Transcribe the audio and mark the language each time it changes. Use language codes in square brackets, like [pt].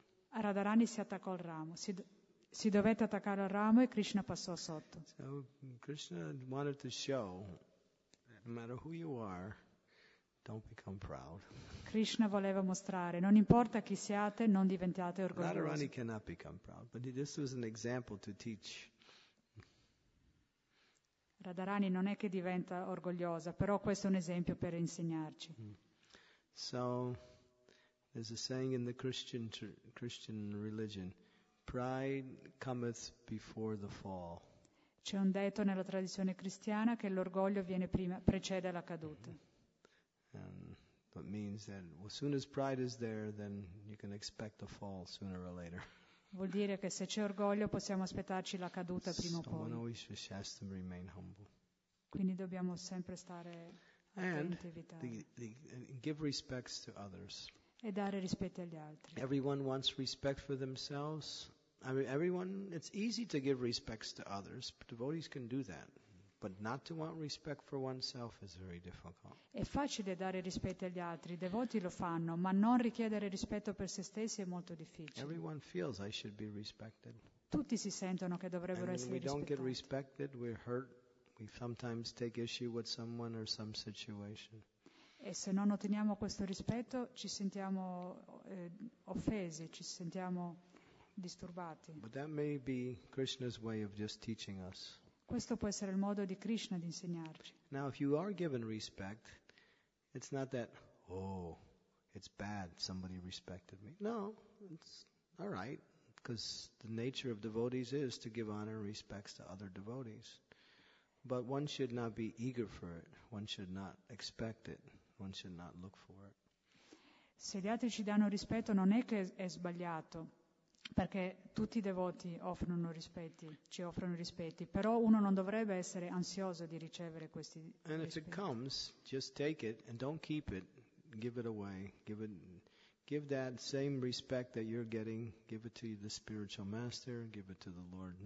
[it] Radharani si attaccò al ramo. Si dovette attaccare al ramo e Krishna passò sotto. [en] So Krishna wanted to show that no matter who you are, don't become proud. [it] Krishna voleva mostrare, non importa chi siate, non diventiate orgogliosi. [en] Radharani cannot become proud, but this was an example to teach. [it] Radharani non è che diventa orgogliosa, però questo è un esempio per insegnarci. [en] So, there's a saying in the Christian religion, pride cometh before the fall. [it] C'è un detto nella tradizione cristiana che l'orgoglio viene prima, precede la caduta. [en] But means that as soon as pride is there, then you can expect a fall sooner or later. [it] Vuol dire che se c'è orgoglio possiamo aspettarci la caduta prima o poi. [en] So one always just has to remain humble. [it] Quindi dobbiamo sempre stare attenti. [en] And give respects to others. [it] E dare rispetto agli altri. [en] Everyone wants respect for themselves, I mean, everyone, it's easy to give respects to others. Devotees can do that. But not to want respect for oneself is very difficult. [it] È facile dare rispetto agli altri. I devoti lo fanno, ma non richiedere rispetto per se stessi è molto difficile. [en] Everyone feels I should be respected. [it] Tutti si sentono che dovrebbero [en] and [it] essere rispettati. [en] And when we don't get respected, we're hurt. We sometimes take issue with someone or some situation. [it] E se non otteniamo questo rispetto, ci sentiamo offesi, ci sentiamo disturbati. [en] But that may be Krishna's way of just teaching us. [it] Questo può essere il modo di Krishna di insegnarci. [en] Now, if you are given respect, it's not that, oh, it's bad, somebody respected me. No, it's all right, because the nature of devotees is to give honor and respects to other devotees. But one should not be eager for it. One should not expect it. One should not look for it. [it] Se gli altri ci danno rispetto, non è che è sbagliato. Perché tutti i devoti offrono rispetti, ci offrono rispetti, però uno non dovrebbe essere ansioso di ricevere questi rispetti. [en] And if it comes, just take it and don't keep it, give it away, give that same respect that you're getting, give it to the spiritual master, give it to the Lord.